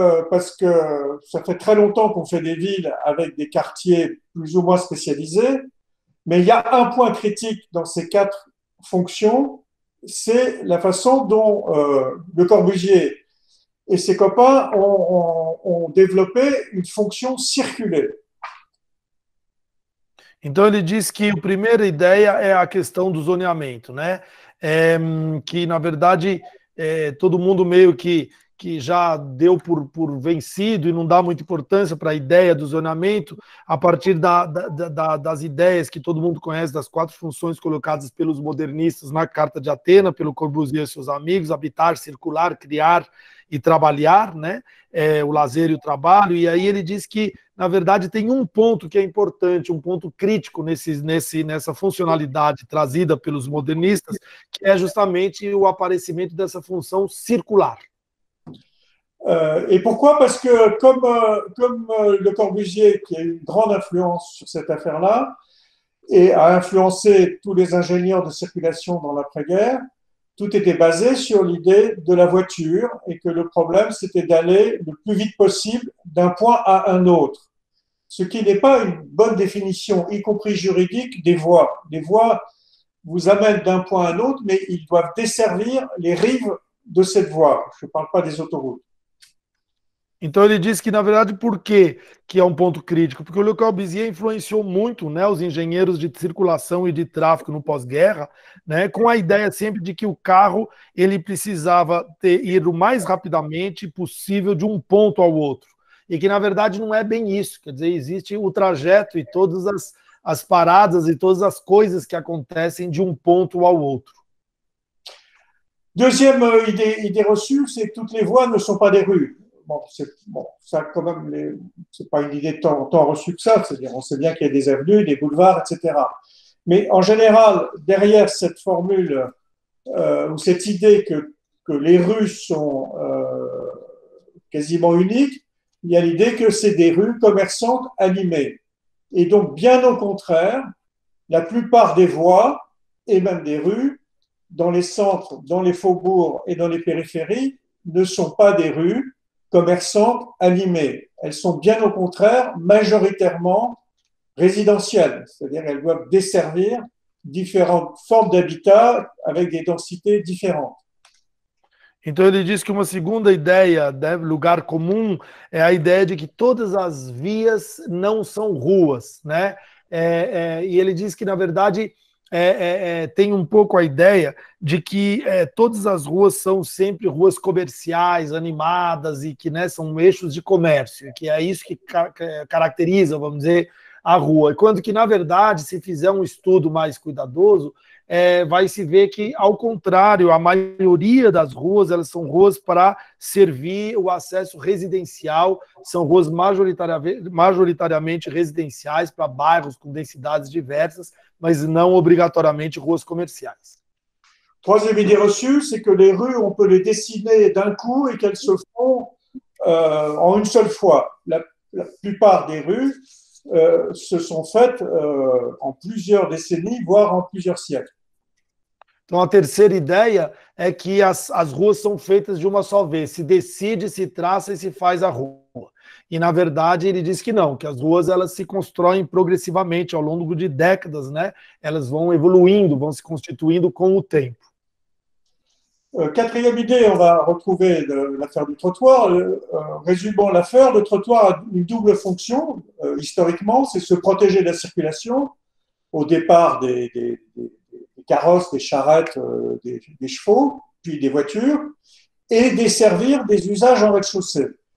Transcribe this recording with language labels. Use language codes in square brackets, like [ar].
[fr] Parce que ça fait très longtemps qu'on fait des villes avec des quartiers plus ou moins spécialisés, mais il y a un point critique dans ces quatre fonctions, c'est la façon dont Le Corbusier et ses copains ont développé une fonction circulaire. [pt] Então ele diz que a primeira ideia é a questão do zoneamento, né? Que na verdade todo mundo meio que já deu por vencido e não dá muita importância para a ideia do zoneamento, a partir das ideias que todo mundo conhece, das quatro funções colocadas pelos modernistas na Carta de Atena, pelo Corbusier e seus amigos: habitar, circular, criar e trabalhar, né? O lazer e o trabalho. E aí ele diz que, na verdade, tem um ponto que é importante, um ponto crítico nessa funcionalidade trazida pelos modernistas, que é justamente o aparecimento dessa função circular. [fr] Et pourquoi? Parce que comme Le Corbusier, qui a eu une grande influence sur cette affaire-là et a influencé tous les ingénieurs de circulation dans l'après-guerre, tout était basé sur l'idée de la voiture et que le problème, c'était d'aller le plus vite possible d'un point à un autre. Ce qui n'est pas une bonne définition, y compris juridique, des voies. Les voies vous amènent d'un point à un autre, mais ils doivent desservir les rives de cette voie. Je ne parle pas des autoroutes. [pt] Então ele disse que, na verdade, por quê que é um ponto crítico? Porque o Le Corbusier influenciou muito, né, os engenheiros de circulação e de tráfego no pós-guerra, né, com a ideia sempre de que o carro ele precisava ir o mais rapidamente possível de um ponto ao outro. E que, na verdade, não é bem isso. Quer dizer, existe o trajeto e todas as paradas e todas as coisas que acontecem de um ponto ao outro. [fr] Deuxième idée reçue, c'est que toutes les voies ne sont pas des rues. Bon, ça, quand même, c'est pas une idée tant reçue que ça. C'est-à-dire, on sait bien qu'il y a des avenues, des boulevards, etc. Mais en général, derrière cette formule ou cette idée que les rues sont quasiment uniques, il y a l'idée que c'est des rues commerçantes animées. Et donc, bien au contraire, la plupart des voies et même des rues dans les centres, dans les faubourgs et dans les périphéries ne sont pas des rues commerçantes animées. Elles sont bien au contraire majoritairement résidentielles, c'est-à-dire elles doivent desservir différentes formes d'habitat avec des densités différentes. [pt] Então ele diz que uma segunda ideia, né, lugar comum, é a ideia de que todas as vias não são ruas, né? E ele diz que na verdade tem um pouco a ideia de que todas as ruas são sempre ruas comerciais, animadas, e que, né, são eixos de comércio, que é isso que caracteriza, vamos dizer, a rua. Enquanto que, na verdade, se fizer um estudo mais cuidadoso, vai se ver que, ao contrário, a maioria das ruas, elas são ruas para servir o acesso residencial, são ruas majoritariamente residenciais para bairros com densidades diversas, mas não obrigatoriamente ruas comerciais. [fr] Troisième idée reçue, c'est que les rues, on peut les dessiner d'un coup et qu'elles se font en une seule fois. La plupart des rues se sont faites en plusieurs décennies, voire en plusieurs siècles. [pt] Então, a terceira ideia é que as ruas são feitas de uma só vez. Se decide, se traça e se faz a rua. E, na verdade, ele diz que não, que as ruas elas se constroem progressivamente ao longo de décadas, né? Elas vão evoluindo, vão se constituindo com o tempo. [fr] Quatrième idée, on va retrouver l'affaire du trottoir. Résumons l'affaire, le trottoir a une double fonction, historiquement, c'est se protéger de la circulation au départ des carrosses, des charrettes, des chevaux, puis des voitures, et desservir des usages en rez-de-chaussée.